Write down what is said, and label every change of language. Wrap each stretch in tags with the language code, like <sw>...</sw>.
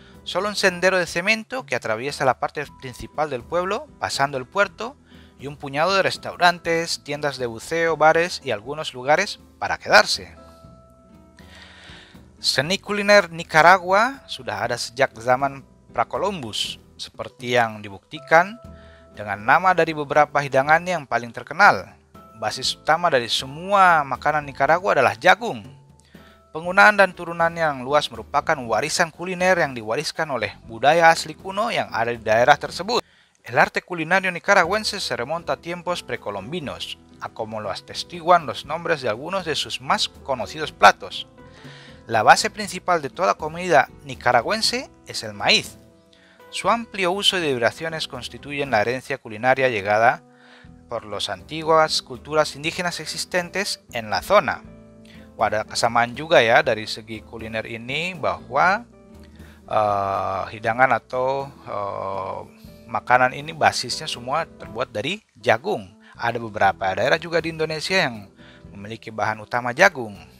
<es>solo un sendero de cemento que atraviesa la parte principal del pueblo, pasando el puerto, y un puñado de restaurantes, tiendas de buceo, bares y algunos lugares para quedarse.</es> <id>Seni kuliner Nicaragua sudah ada sejak zaman pra-Columbus, seperti yang dibuktikan dengan nama dari beberapa hidangan yang paling terkenal. Basis utama dari semua makanan Nicaragua adalah jagung. Penggunaan dan turunan yang luas merupakan warisan kuliner yang diwariskan oleh budaya asli kuno yang ada di daerah tersebut.</id> <es>El arte culinario nicaragüense se remonta a tiempos precolombinos, a como lo atestiguan los nombres de algunos de sus más conocidos platos. La base principal de toda comida nicaragüense es el maíz. Su amplio uso y derivaciones constituyen la herencia culinaria llegada por las antiguas culturas indígenas existentes en la zona.</es> <id>Ada kesamaan juga ya dari segi kuliner ini bahwa hidangan atau makanan ini basisnya semua terbuat dari jagung. Ada beberapa daerah juga di Indonesia yang memiliki bahan utama jagung.</id>